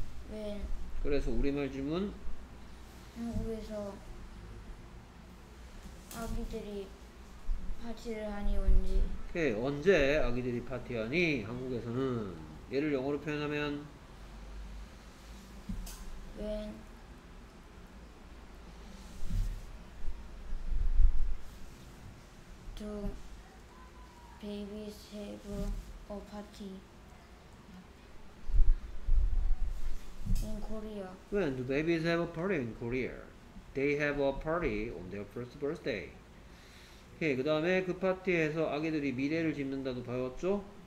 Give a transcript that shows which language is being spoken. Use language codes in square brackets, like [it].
[en] when [ko] 그래서 우리말 질문 한국에서 아기들이 파티를 하니 언제 오케이. 언제 아기들이 파티하니 한국에서는 얘를 영어로 표현하면 [en] when do babies have a party in Korea? When do babies have a party in Korea? They have a party on their first birthday. [ko] 오케이. 그 다음에 그 파티에서 아기들이 미래를 짓는다도 배웠죠?